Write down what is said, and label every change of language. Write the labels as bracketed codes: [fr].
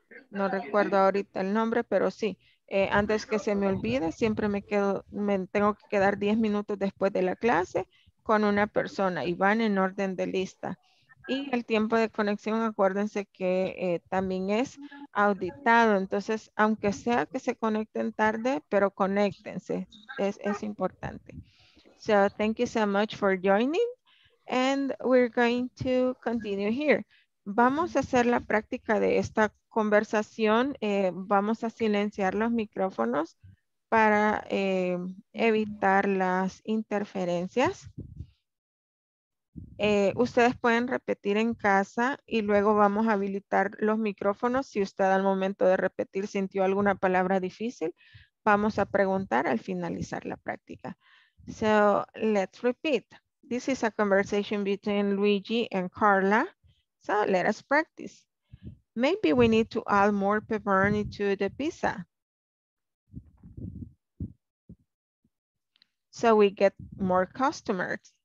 [es] No recuerdo ahorita el nombre, pero sí, antes que se me olvide, siempre me tengo que quedar 10 minutos después de la clase con una persona y van en orden de lista. Y el tiempo de conexión, acuérdense que también es auditado. Entonces, aunque sea que se conecten tarde, pero conéctense, es importante. [en] So, thank you so much for joining, and we're going to continue here. [es] Vamos a hacer la práctica de esta conversación. Vamos a silenciar los micrófonos para evitar las interferencias. Ustedes pueden repetir en casa y luego vamos a habilitar los micrófonos. Si usted al momento de repetir sintió alguna palabra difícil, vamos a preguntar al finalizar la práctica. [en] So, let's repeat. This is a conversation between Luigi and Carla. So let us practice. Maybe we need to add more pepperoni to the pizza, so we get more customers.